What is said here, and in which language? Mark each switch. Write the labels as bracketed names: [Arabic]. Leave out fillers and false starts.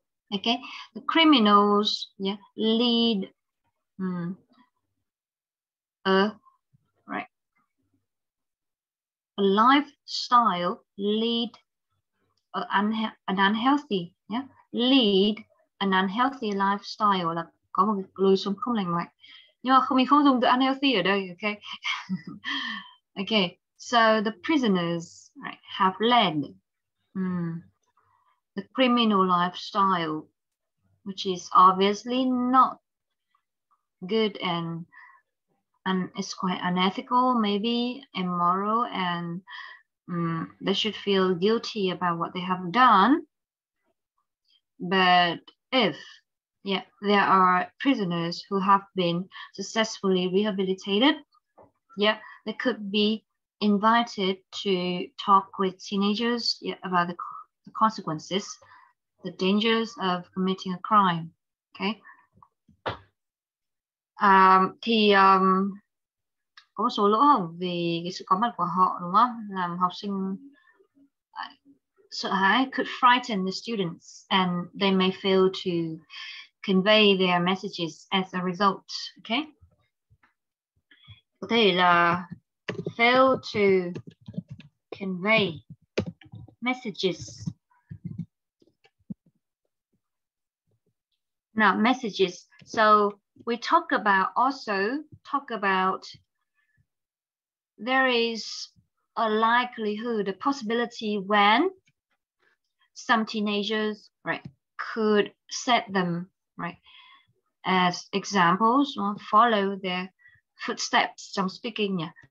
[English] Okay, the criminals, yeah, lead a lifestyle, lead an unhealthy, yeah, lead an unhealthy lifestyle, [Vietnamese] là có một lối sống không lành mạnh. Nhưng mà không, mình không dùng từ unhealthy ở đây, okay? [English] Okay, so the prisoners, right, have led the criminal lifestyle, which is obviously not good and it's quite unethical, maybe immoral, and they should feel guilty about what they have done. But if there are prisoners who have been successfully rehabilitated, they could be invited to talk with teenagers about the consequences, the dangers of committing a crime. Okay. [Vietnamese] Thì có một số lỗ hổng vì cái sự có mặt của họ, đúng không? Làm học sinh sợ hãi, [English] could frighten the students, and they may fail to convey their messages as a result. Okay. [Vietnamese] Có thể là [English] fail to convey messages. Now, messages. So we talk about, also talk about, there is a likelihood, a possibility when some teenagers, right, could set them, right, as examples, or follow their footsteps. I'm speaking, yeah.